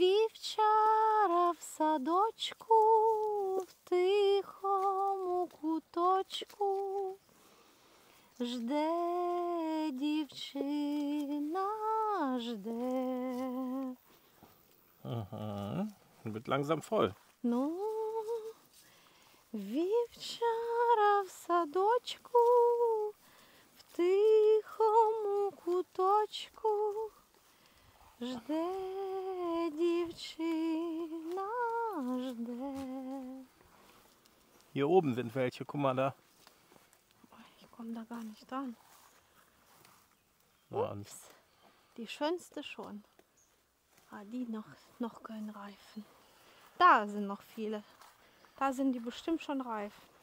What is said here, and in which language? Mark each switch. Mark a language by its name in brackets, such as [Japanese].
[Ukrainian] Вівчара в садочку, в тихому куточку, жде дівчина, жде. [German] Ага, wird langsam voll. [Ukrainian] Ну, вівчара в садочку, в тихому куточку, жде дівчина, жде. [German] Hier oben sind welche, guck mal da. Ich komme da gar nicht dran. Ups, die schönste schon. Ah, die noch können reifen. Da sind noch viele. Da sind die bestimmt schon reif.